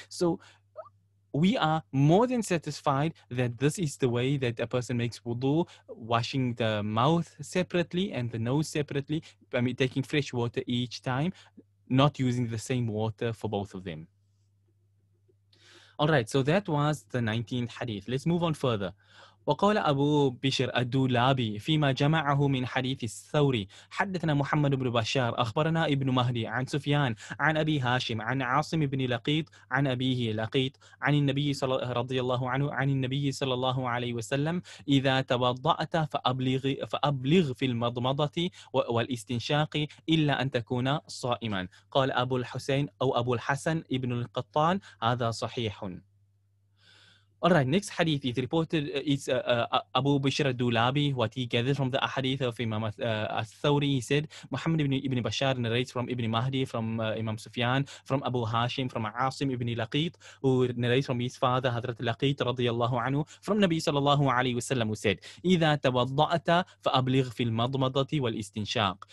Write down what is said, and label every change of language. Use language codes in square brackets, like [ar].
[en] So we are more than satisfied that this is the way that a person makes wudu, washing the mouth separately and the nose separately, I mean taking fresh water each time, not using the same water for both of them. All right, so that was the 19th hadith. Let's move on further. [ar] وقال أبو بشر الدولابي فيما جمعه من حديث الثوري حدثنا محمد بن بشار أخبرنا ابن مهدي عن سفيان عن أبي هاشم عن عاصم بن لقيط عن أبيه لقيط عن النبي صلى الله رضي الله عنه عن النبي صلى الله عليه وسلم إذا توضأت فأبلغ في المضمضة والاستنشاق إلا أن تكون صائما. قال أبو الحسين أو أبو الحسن ابن القطان هذا صحيح. [en] Alright, next hadith is reported, it's Abu Bishr al-Dulabi, what he gathered from the ahadith of Imam al-Thawri. He said, Muhammad ibn Bashar narrates from Ibn Mahdi, from Imam Sufyan, from Abu Hashim, from Asim ibn Laqit, who narrates from his father, Hadrat Laqit, radiyallahu anhu, from Nabi sallallahu alayhi wasallam, who said, [ar] إِذَا تَوَضَّأَتَ فَأَبْلِغْ فِي الْمَضْمَضَةِ وَالْإِسْتِنْشَاقِ.